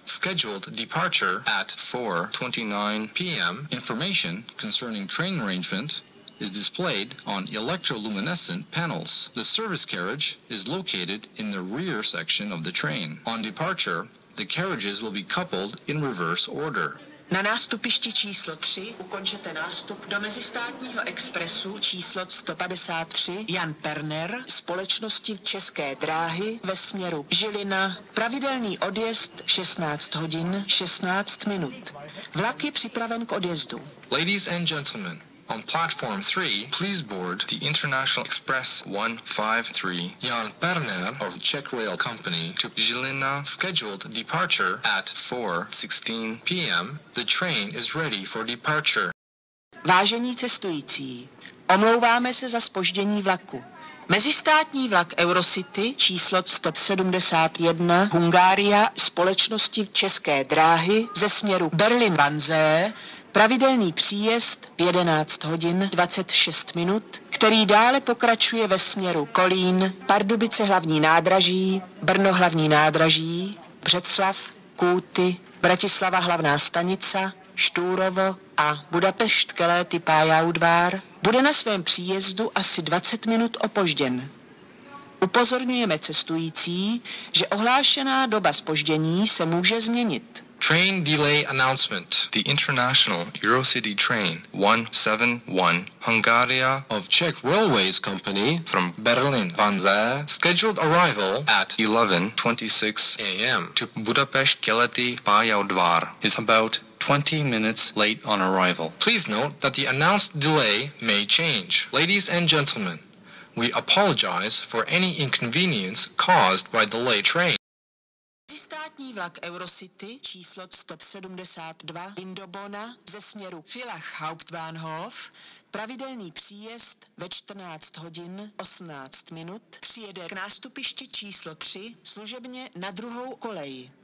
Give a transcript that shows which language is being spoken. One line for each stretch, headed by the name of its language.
English: Scheduled departure at 4:29 p.m. Information concerning train arrangement is displayed on electroluminescent panels. The service carriage is located in the rear section of the train. On departure, the carriages will be coupled in reverse order.
Czech: Na nástupišti číslo 3 ukončete nástup do mezistátního expresu číslo 153 Jan Perner společnosti České dráhy ve směru Žilina. Pravidelný odjezd 16 hodin 16 minut. Vlak je připraven k odjezdu.
English: Ladies and gentlemen, on platform 3, please board the International Express 153 Jan Perner of Czech Rail Company to Žilina. Scheduled departure at 4:16 p.m. The train is ready for departure.
Czech: Vážení cestující, omlouváme se za zpoždění vlaku. Mezistátní vlak Eurocity číslo 171 Hungária společnosti České dráhy ze směru Berlin-Wannsee. Pravidelný příjezd v 11 hodin 26 minut, který dále pokračuje ve směru Kolín, Pardubice hlavní nádraží, Brno hlavní nádraží, Břeclav, Kůty, Bratislava hlavná stanice, Štúrovo a Budapešt Keleti Pályaudvar, bude na svém příjezdu asi 20 minut opožděn. Upozorňujeme cestující, že ohlášená doba zpoždění se může změnit.
English: Train delay announcement. The International Eurocity Train 171 Hungaria of Czech Railways Company from Berlin-Wannsee scheduled arrival at 11:26 a.m. to Budapest-Keleti Pályaudvar is about 20 minutes late on arrival. Please note that the announced delay may change. Ladies and gentlemen, we apologize for any inconvenience caused by the late train.
Czech: Mezistátní vlak Eurocity číslo 172 Indobona ze směru Villach Hauptbahnhof, pravidelný příjezd ve 14 hodin 18 minut, přijede k nástupišti číslo 3 služebně na druhou kolej.